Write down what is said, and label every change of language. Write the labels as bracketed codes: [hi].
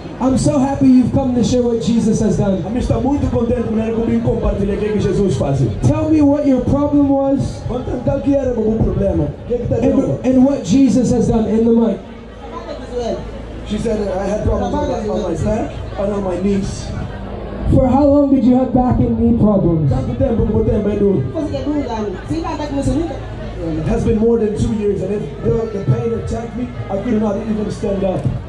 [en] I'm so happy you've come to share what Jesus has done. [pt] Eu estou muito contente por ter vindo compartilhar o que Jesus faz. [en] Tell me what your problem was. [pt] Qual que era o meu problema? [en] And what Jesus has done in the mic. She said I had problems on my back. I know my knees. For how long did you have back and knee problems? It has been more than 2 years, and if the pain attacked me, I could not even stand up.